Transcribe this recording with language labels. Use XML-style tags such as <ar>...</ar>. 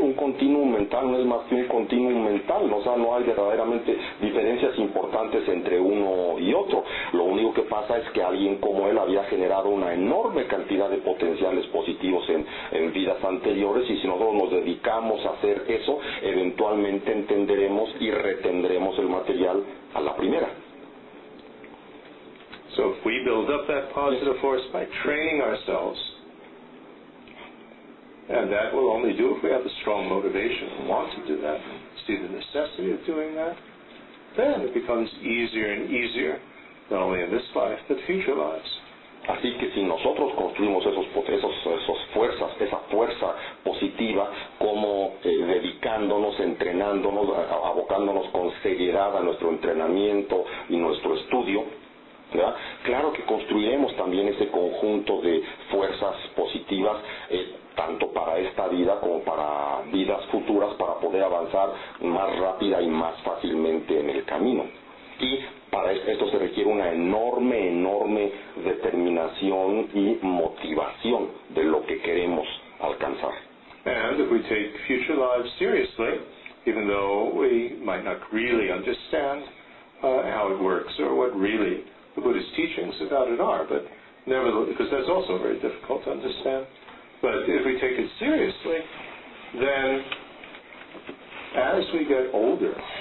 <es>Un continuum mental no es más que un continuum mental, ¿no? O sea, no hay verdaderamente diferencias importantes entre uno y otro. Lo único que pasa es que alguien como él había generado una enorme cantidad de potenciales positivos en vidas anteriores, y si nosotros nos dedicamos a hacer eso, eventualmente entenderemos y retendremos el material a la primera.</es> <en>So if we build up that positive force by training ourselves, and that we'll only do if we have a strong motivation and want to do that, see the necessity of doing that, then it becomes easier and easier, not only in this life, but future lives.</en> <es>Así que si nosotros construimos esos fuerzas, esa fuerza positiva, como dedicándonos, entrenándonos, abocándonos con seriedad a nuestro entrenamiento y nuestro estudio, ¿verdad? Claro que construiremos también ese conjunto de fuerzas positivas, tanto para esta vida como para vidas futuras, para poder avanzar más rápida y más fácilmente en el camino. Y para esto se requiere una enorme, enorme determinación y motivación de lo que queremos alcanzar.</es> <en>And if we take future lives seriously, even though we might not really understand how it works or what really the Buddhist teachings about it are, but nevertheless, because that's also very difficult to understand. But if we take it seriously, then as we get older,</en>